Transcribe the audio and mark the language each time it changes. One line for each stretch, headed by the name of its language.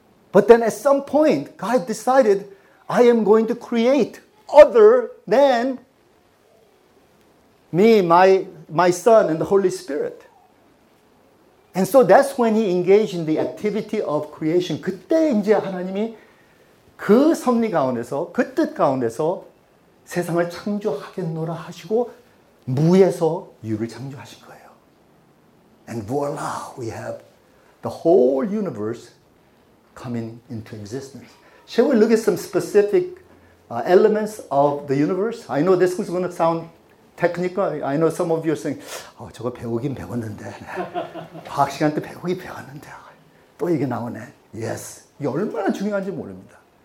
English: But then at some point, God decided, I am going to create other than me, my Son, and the Holy Spirit. And so that's when he engaged in the activity of creation.
Korean: 그때 이제 하나님이 그 섭리 가운데서, 그 뜻 가운데서 세상을 창조하겠노라 하시고 무에서 유를 창조하신 거예요.
English: And voila, we have the whole universe coming into existence. Shall we look at some specific elements of the universe? I know this is going to sound technical. I know some of you are saying,
Korean: 저거 배우긴 배웠는데. 과학 시간 때 배우긴 배웠는데. 또 이게 나오네.
English: Yes.
Korean: 이게 얼마나 중요한지 모릅니다.